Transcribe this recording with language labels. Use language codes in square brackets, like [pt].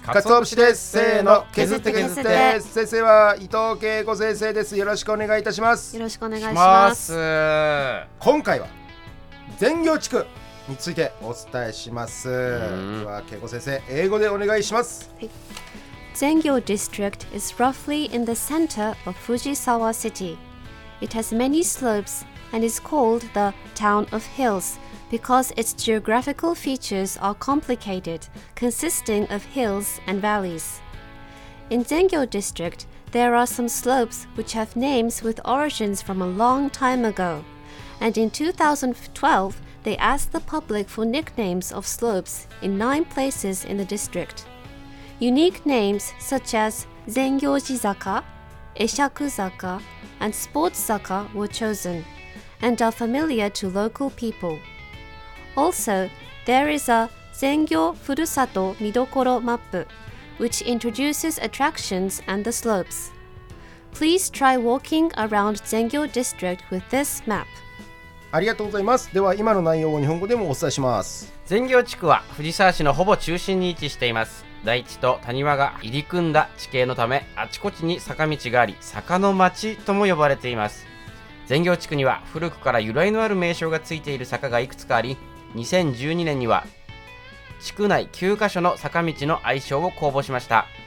[ja] カツオ節です。せーの、削って削って。先生は伊藤恵子先生です。よろしくお願いいたします。よろしくお願いします。今回は全業地区についてお伝えします。では恵子先生、英語でお願いします。 [en] Zengyo District is roughly in the center of Fujisawa City. It has many slopes and is called the Town of Hills because its geographical features are complicated, consisting of hills and valleys. In Zengyo District, there are some slopes which have names with origins from a long time ago, and in 2012, they asked the public for nicknames of slopes in 9 places in the district. Unique names such as Zengyoji Zaka, Eshaku Zaka, and Sports Zaka were chosen, and are familiar to local people. Also, there is a Zengyo Furusato Midokoro Mappu, which introduces attractions and the slopes. Please try walking around Zengyo District with this map. [ja] ありがとうございます。では今の内容を日本語でもお伝えします。全行地区は藤沢市のほぼ中心に位置しています。大地と谷間が入り組んだ地形のため、あちこちに坂道があり、坂の町とも呼ばれています。全行地区には古くから由来のある名称がついている坂がいくつかあり、2012年には地区内9カ所の坂道の愛称を公募しました。